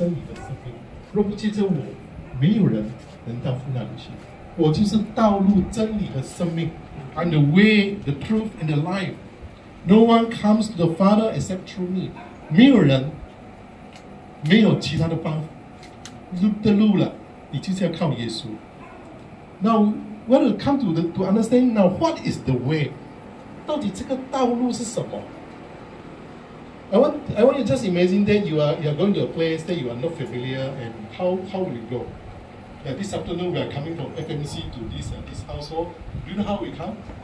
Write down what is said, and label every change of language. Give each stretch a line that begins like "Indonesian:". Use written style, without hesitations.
Chinese: 然后耶稣在第六节就很清楚地告诉他们说：“我就是道路、真理的生命，若不借着我。” 没有人能到父那里去。我就是道路、真理和生命。
English: I'm the way, the truth, and the life. No one comes to the Father except through me.
Chinese: 没有人没有其他的方法。路的路了，你就是要靠耶稣。
English: Now, when it comes to understand now, what is the way?
Chinese: 到底这个道路是什么？
English: I want you to just imagine that you are going to a place that you are not familiar, and how will you go? Yeah, this afternoon, we are coming from FMC to this household. Do you know how we come?